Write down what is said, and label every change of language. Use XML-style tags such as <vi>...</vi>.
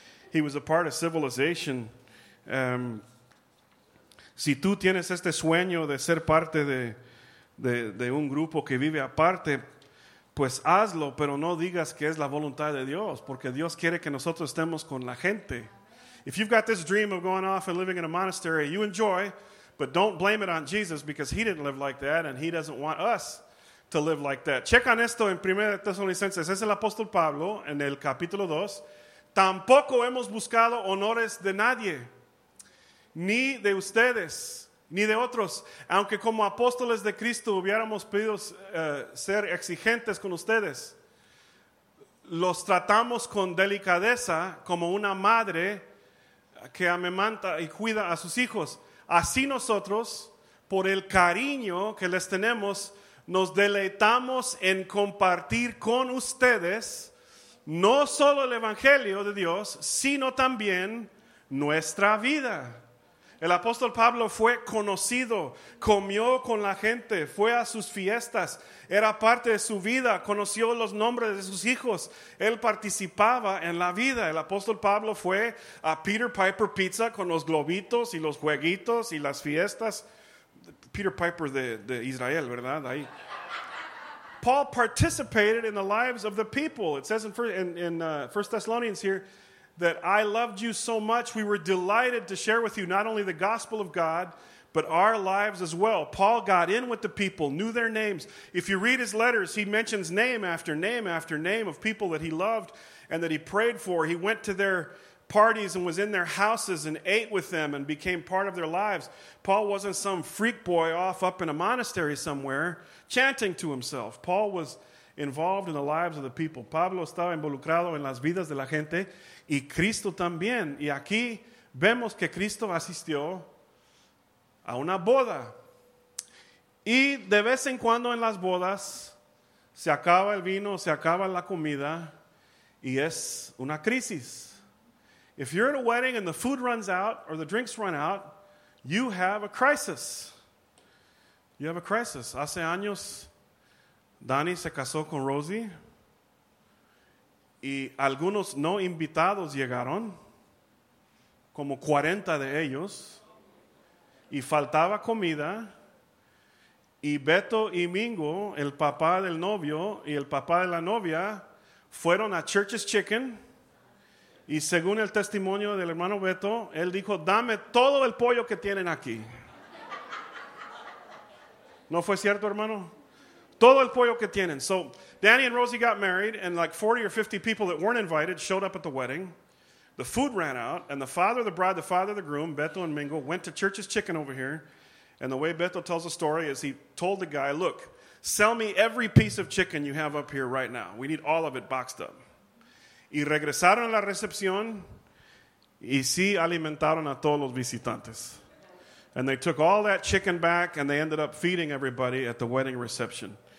<en>He was a part of civilization.</en> <es>Si tú tienes este sueño de ser parte de un grupo que vive aparte, pues hazlo, pero no digas que es la voluntad de Dios, porque Dios quiere que nosotros estemos con la gente.</es> <en>If you've got this dream of going off and living in a monastery, you enjoy, but don't blame it on Jesus, because he didn't live like that, and he doesn't want us to live like that.</en> <es>Checan esto en 1 Tesalonicenses, es el apóstol Pablo, en el capítulo 2. Tampoco hemos buscado honores de nadie, ni de ustedes, ni de otros, aunque como apóstoles de Cristo hubiéramos pedido ser exigentes con ustedes, los tratamos con delicadeza como una madre que amamanta y cuida a sus hijos. Así nosotros, por el cariño que les tenemos, nos deleitamos en compartir con ustedes no solo el Evangelio de Dios, sino también nuestra vida. El apóstol Pablo fue conocido, comió con la gente, fue a sus fiestas, era parte de su vida, conoció los nombres de sus hijos, él participaba en la vida. El apóstol Pablo fue a Peter Piper Pizza con los globitos y los jueguitos y las fiestas. Peter Piper de Israel, ¿verdad? Ahí.</es> <en>Paul participated in the lives of the people. It says in 1 Thessalonians here, that I loved you so much, we were delighted to share with you not only the gospel of God, but our lives as well. Paul got in with the people, knew their names. If you read his letters, he mentions name after name after name of people that he loved and that he prayed for. He went to their parties and was in their houses and ate with them and became part of their lives. Paul wasn't some freak boy off up in a monastery somewhere chanting to himself. Paul was involved in the lives of the people.</en> <es>Pablo estaba involucrado en las vidas de la gente. Y Cristo también. Y aquí vemos que Cristo asistió a una boda. Y de vez en cuando en las bodas se acaba el vino, se acaba la comida y es una crisis.</es> <en>If you're at a wedding and the food runs out or the drinks run out, you have a crisis. You have a crisis.</en> <es>Hace años Dani se casó con Rosie. Y algunos no invitados llegaron, como 40 de ellos, y faltaba comida, y Beto y Mingo, el papá del novio y el papá de la novia, fueron a Church's Chicken, y según el testimonio del hermano Beto, él dijo, dame todo el pollo que tienen aquí. ¿No fue cierto, hermano? Todo el pollo que tienen.</es> <en>So Danny and Rosie got married, and like 40 or 50 people that weren't invited showed up at the wedding. The food ran out, and the father of the bride, the father of the groom, Beto and Mingo, went to Church's Chicken over here. And the way Beto tells the story is he told the guy, look, sell me every piece of chicken you have up here right now. We need all of it boxed up.</en> <es>Y regresaron a la recepción, y sí alimentaron a todos los visitantes.</es> <en>And they took all that chicken back, and they ended up feeding everybody at the wedding reception.</en>